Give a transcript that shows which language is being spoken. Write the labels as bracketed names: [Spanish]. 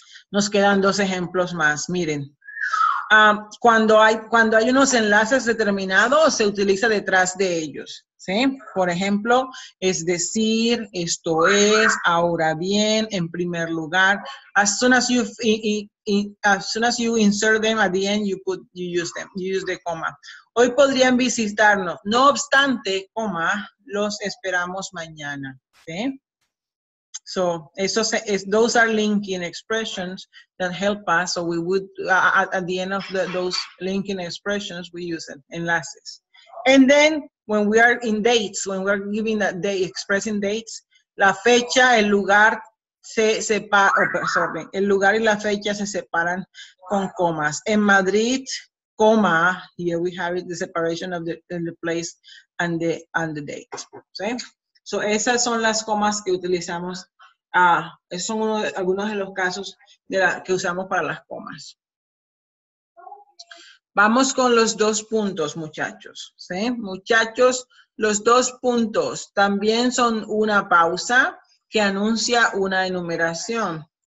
[Spanish] Nos quedan dos ejemplos más. Miren. Cuando hay unos enlaces determinados, se utiliza detrás de ellos. ¿Sí? Por ejemplo, es decir, esto es, ahora bien, en primer lugar. [English] As soon as you insert them at the end, you use the comma. [Spanish] Hoy podrían visitarnos. No obstante, comma, los esperamos mañana. ¿Sí? [English] So, those are linking expressions that help us. So, we would, at the end of those linking expressions, we use enlaces. And then, when we are in dates, when we are giving that day, expressing dates, la fecha, [Spanish] el lugar, el lugar y la fecha se separan con comas. [English] En Madrid, coma, here we have it, the separation of the place and the date. [Spanish] ¿Sí? So, esas son las comas que utilizamos. Esos son algunos de los casos que usamos para las comas. Vamos con los dos puntos, muchachos. ¿Sí? Muchachos, los dos puntos también son una pausa que anuncia una enumeración.